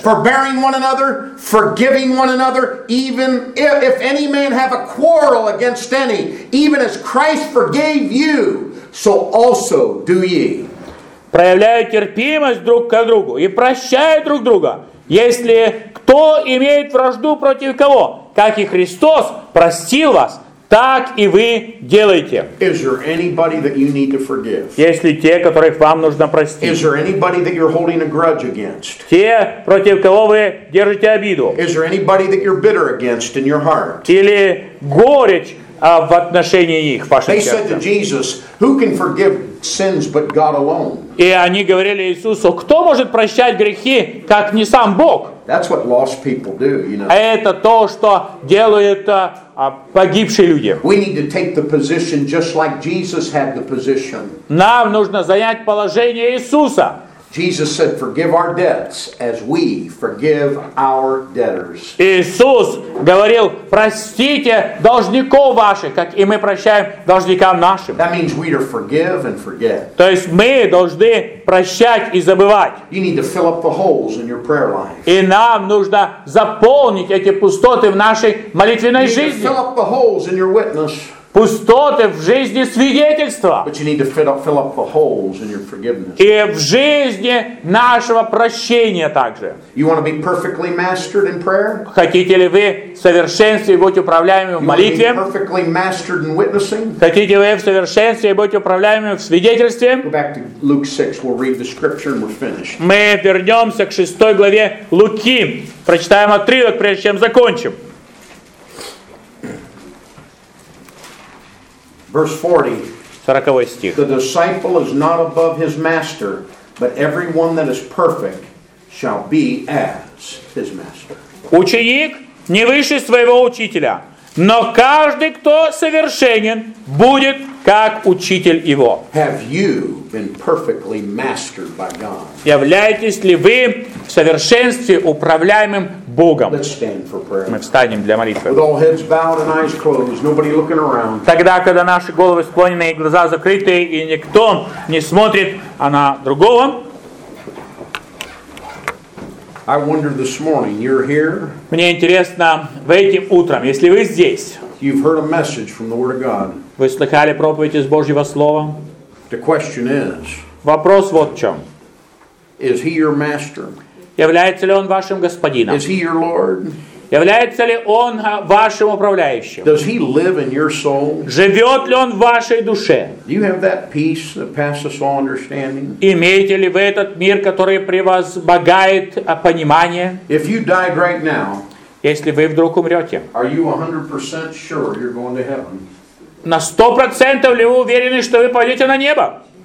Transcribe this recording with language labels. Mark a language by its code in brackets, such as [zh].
[en] Forbearing one another, forgiving one another, even if any man have a quarrel against any, even as Christ forgave you. So also do ye. [ru] Проявляя терпимость друг к другу и прощая друг друга, если кто имеет вражду против кого, как и Христос простил вас, так и вы делаете. [en] Is there anybody that you need to forgive? [ru] Есть ли те, которых вам нужно простить? [en] Is there anybody that you're holding a grudge against? [ru] Те, против кого вы держите обиду? [en] Is there anybody that you're bitter against in your heart? [ru] Или горечь в отношении их, в вашем сердце. [en] They said to Jesus, who can forgive sins but God alone? [ru] И они говорили Иисусу, кто может прощать грехи, как не сам Бог? [en] That's what lost people do, you know. [ru] Это то, что делают погибшие люди. [en] We need to take the position just like Jesus had the position. [ru] Нам нужно занять положение Иисуса. [en] Jesus said, "Forgive our debts, as we forgive our debtors." [ru] Иисус говорил, простите должников ваших, как и мы прощаем должникам нашим. [en] That means we are forgive and forget. [ru] То есть мы должны прощать и забывать. [en] You need to fill up the holes in your prayer life. [ru] И нам нужно заполнить эти пустоты в нашей молитвенной жизни. [en] You need to fill up the holes in your witness. [ru] Пустоты в жизни свидетельства. [en] Fill up the holes in your forgiveness. [ru] И в жизни нашего прощения также. [en] You want to be perfectly mastered in prayer? [ru] Хотите ли вы в совершенстве быть управляемым в молитве? [en] You want to be perfectly mastered in witnessing? [ru] Хотите ли вы в совершенстве быть управляемым в свидетельстве? [en] Go back to Luke 6. We'll read the scripture and we're finished. [ru] Мы вернемся к 6 главе Луки. Прочитаем отрывок, прежде чем закончим. [en] Verse 40. The disciple is not above his master, but everyone that is perfect shall be as his master. [ru] Ученик не выше своего учителя, но каждый, кто совершенен, будет как учитель его. [en] Have you been perfectly mastered by God? [ru] Являетесь ли вы в совершенстве управляемым Богом? [en] Let's stand for prayer. [ru] Мы встанем для молитвы. [en] With all heads bowed and eyes closed, nobody looking around. [ru] Тогда, когда наши головы склонены и глаза закрыты, и никто не смотрит на другого. [en] I wonder this morning, you're here. [ru] Мне интересно, в этим утром, если вы здесь, [en] you've heard a message from the Word of God. [ru] Вы слыхали проповедь из Божьего Слова? [en] The question is, [ru] вопрос вот в чем. [en] Is he your master? [ru] Является ли он вашим господином? [en] Is he your Lord? [ru] Является ли он вашим управляющим? [en] Does he live in your soul? [ru] Живет ли он в вашей душе? [en] Do you have that peace that passes all understanding? [ru] Имеете ли вы этот мир, который превозмогает понимание? [en] If you died right now, [ru] если вы вдруг умрете, [en] are you 100% sure you're going to heaven? [ru] На 100% ли вы уверены, что вы пойдете на небо?